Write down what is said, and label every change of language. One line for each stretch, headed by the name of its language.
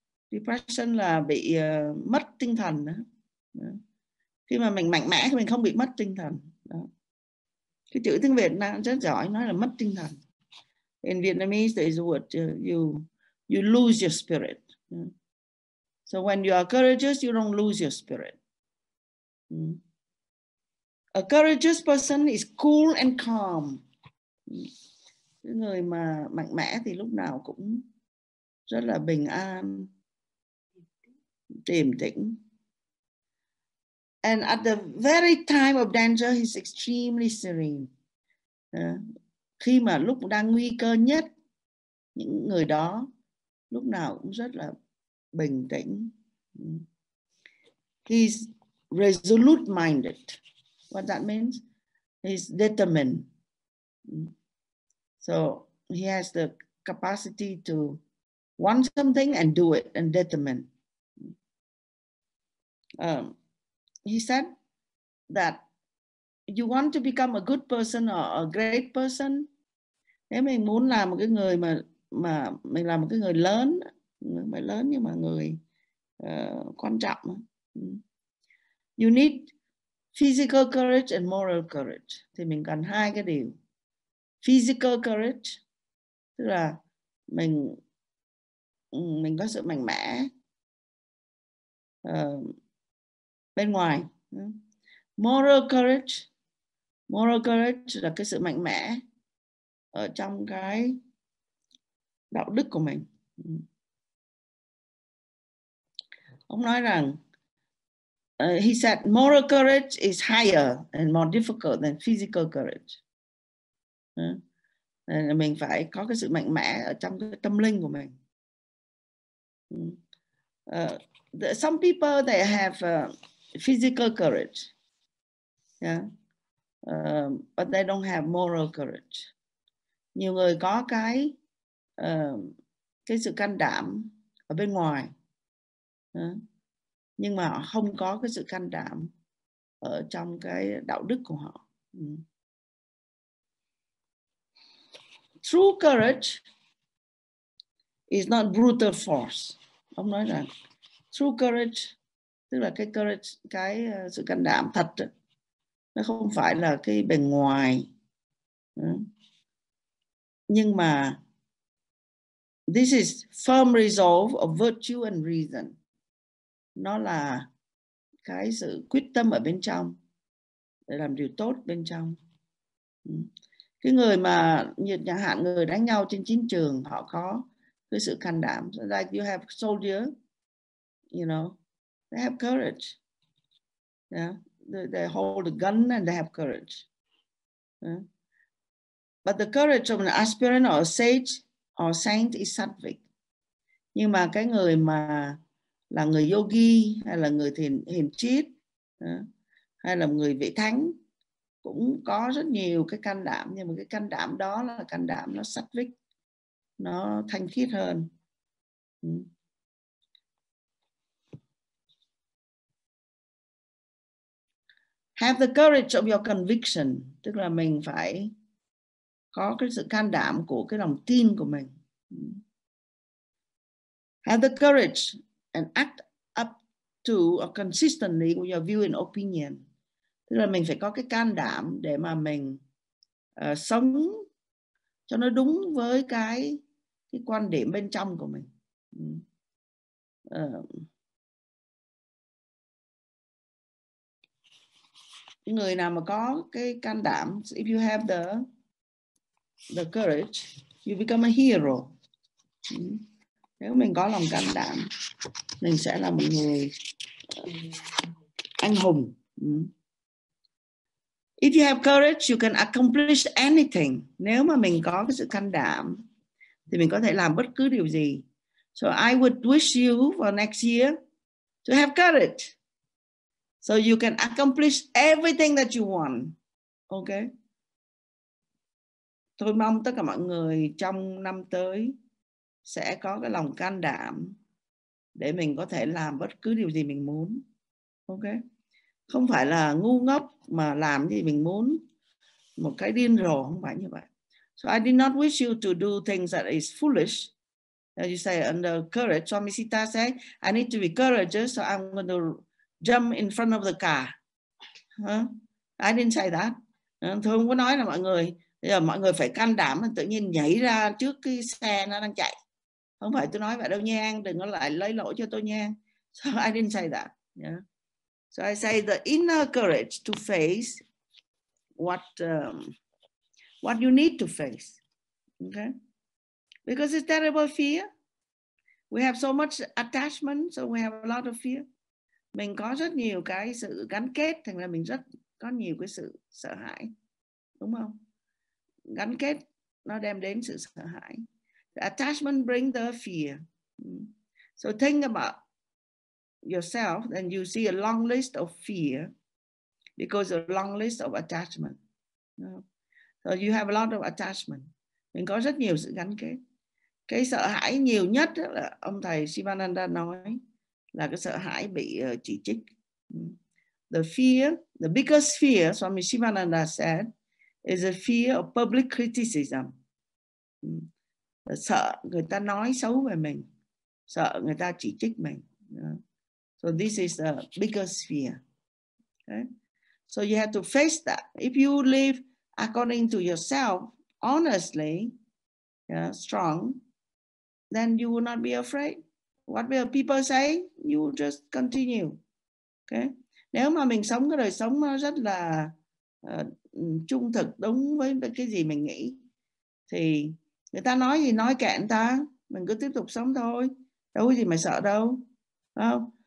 Vietnamese: Depression là bị mất tinh thần. Khi mà mình mạnh mẽ thì mình không bị mất tinh thần. Cái chữ tiếng Việt nó rất giỏi, nói là mất tinh thần.
English: In Vietnamese, there is a word, you lose your spirit. So when you are courageous, you don't lose your spirit. A courageous person is cool and calm.
Vietnamese: Cái người mà mạnh mẽ thì lúc nào cũng rất là bình an, điềm tĩnh.
English: And at the very time of danger, he's extremely serene.
Vietnamese: Khi mà lúc đang nguy cơ nhất, những người đó lúc nào cũng rất là bình tĩnh.
English: He's resolute minded. What that means? He's determined. So he has the capacity to want something and do it and determine. He said that you want to become a good person or a great person.
Vietnamese: Nếu mình muốn làm một cái người mà mình làm một cái người lớn, người mà lớn nhưng mà người quan trọng.
English: You need physical courage and moral courage.
Vietnamese: Thì mình cần hai cái điều.
English: Physical courage,
Vietnamese: tức là mình có sự mạnh mẽ bên ngoài.
English: Moral courage
Vietnamese: là cái sự mạnh mẽ ở trong cái đạo đức của mình. Ông nói rằng
English: he said moral courage is higher and more difficult than physical courage.
Vietnamese: Mình phải có cái sự mạnh mẽ ở trong cái tâm linh của mình.
English: Some people they have physical courage, but they don't have moral courage.
Vietnamese: Nhiều người có cái sự can đảm ở bên ngoài, nhưng mà họ không có cái sự can đảm ở trong cái đạo đức của họ.
English: True courage is not brutal force.
Vietnamese: Ông nói rằng
English: true courage,
Vietnamese: tức là cái courage, cái sự can đảm thật, nó không phải là cái bề ngoài. Nhưng mà
English: this is firm resolve of virtue and reason.
Vietnamese: Nó là cái sự quyết tâm ở bên trong để làm điều tốt bên trong. Cái người mà, chẳng hạn người đánh nhau trên chiến trường, họ có cái sự can đảm.
English: So like you have soldier, you know, they have courage. Yeah, they hold a gun and they have courage. Yeah? But the courage of an aspirant or a sage or a saint is sattvic.
Vietnamese: Nhưng mà cái người mà là người yogi hay là người thiền hiền triết hay là người vị thánh cũng có rất nhiều cái can đảm, nhưng mà cái can đảm đó là can đảm nó sattvic, nó thanh khiết hơn.
English: Have the courage of your conviction,
Vietnamese: tức là mình phải có cái sự can đảm của cái lòng tin của mình.
English: Have the courage and act up to or consistently with your view and opinion.
Vietnamese: Tức là mình phải có cái can đảm để mà mình sống cho nó đúng với cái quan điểm bên trong của mình. Người nào mà có cái can đảm,
English: if you have the courage, you become a hero.
Vietnamese: Nếu mình có lòng can đảm, mình sẽ là một người anh hùng.
English: If you have courage, you can accomplish anything.
Vietnamese: Nếu mà mình có cái sự can đảm, thì mình có thể làm bất cứ điều gì.
English: So I would wish you for next year to have courage, so you can accomplish everything that you want. Okay?
Vietnamese: Tôi mong tất cả mọi người trong năm tới sẽ có cái lòng can đảm để mình có thể làm bất cứ điều gì mình muốn. Ok? Không phải là ngu ngốc mà làm gì mình muốn một cái điên rồ, không phải như vậy.
English: So I did not wish you to do things that is foolish. As you say, under courage, Swami Sita say, I need to be courageous, so I'm going to jump in front of the car. Huh? I didn't say that.
Vietnamese: Thôi không có nói là mọi người, bây giờ mọi người phải can đảm tự nhiên nhảy ra trước cái xe nó đang chạy. Không phải tôi nói vậy đâu nha, đừng có lại lấy lỗi cho tôi nha.
English: So I didn't say that. Yeah. So I say the inner courage to face what you need to face. Okay? Because it's terrible fear. We have so much attachment, so we have a lot of fear.
Vietnamese: Mình có rất nhiều cái sự gắn kết, thành ra mình rất có nhiều cái sự sợ hãi. Đúng không? Gắn kết nó đem đến sự sợ hãi.
English: The attachment brings the fear. So think about yourself and you see a long list of fear because a long list of attachment. So you have a lot of attachment.
Vietnamese: Mình có rất nhiều sự gắn kết. Cái sợ hãi nhiều nhất là ông thầy Sivananda nói là cái sợ hãi bị chỉ trích.
English: The fear, the biggest fear, Swami Sivananda said, is a fear of public criticism.
Vietnamese: Sợ người ta nói xấu về mình, sợ người ta chỉ trích mình.
English: So this is the biggest fear. Okay? So you have to face that. If you live according to yourself, honestly, yeah, strong, then you will not be afraid. What will people say? You will just continue. Okay?
Vietnamese: Nếu mà mình sống cái đời sống nó rất là trung thực, đúng với cái gì mình nghĩ, thì người ta nói gì nói kệ người ta, mình cứ tiếp tục sống thôi, đâu có gì mà sợ đâu. Không?